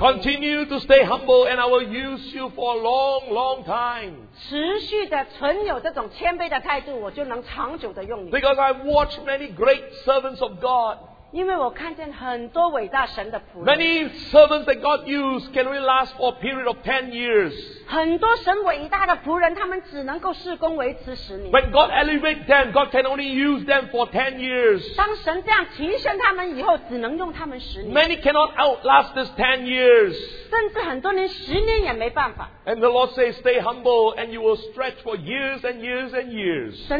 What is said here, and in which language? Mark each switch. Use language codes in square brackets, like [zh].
[en] Continue to stay humble, and I will use you for a long, long time. [zh] 持续的存有这种谦卑的态度，我就能长久的用你。 [en] Because I've watched many great servants of God. [zh] 因为我看见很多伟大神的仆人。 [en] Many servants that God used can really last for a period of 10 years. [zh] 很多神伟大的仆人，他们只能够事工维持10年。 [en] When God elevates them, God can only use them for 10 years. [zh] 当神这样提升他们以后，只能用他们10年。 [en] Many cannot outlast this 10 years. [zh] 甚至很多年10年也没办法。 [en] And the Lord says, "Stay humble, and you will stretch for years and years and years."